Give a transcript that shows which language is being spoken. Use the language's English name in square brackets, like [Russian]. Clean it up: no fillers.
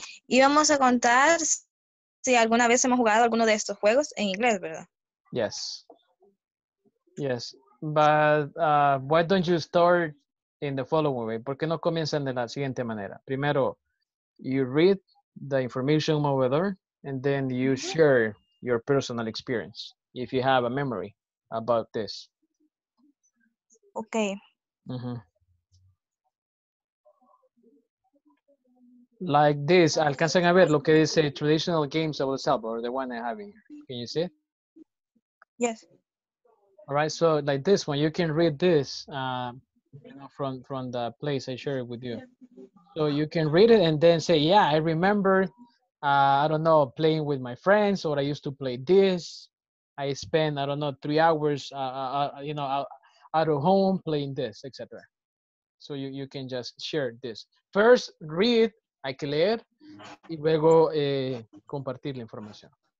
[Spanish] Íbamos a contar si alguna vez hemos jugado alguno de estos juegos en inglés, ¿verdad? [English] Yes. Yes, but why don't you start in the following way? [Spanish] ¿Por qué no comienzan de la siguiente manera? Primero, [English] you read the information over there, and then you share your personal experience, if you have a memory, about this. Okay. Like this, [Spanish] alcanzan a ver lo que dice [English] traditional games of El Salvador, the one I have here. Can you see it? Yes. All right, so like this one, you can read this from the place I shared it with you. So you can read it and then say, yeah, I remember, I don't know, playing with my friends, or I used to play this. I spent, I don't know, 3 hours, out of home playing this, etc. So you can just share this. First, read. [Spanish] Hay que leer y luego compartir la información.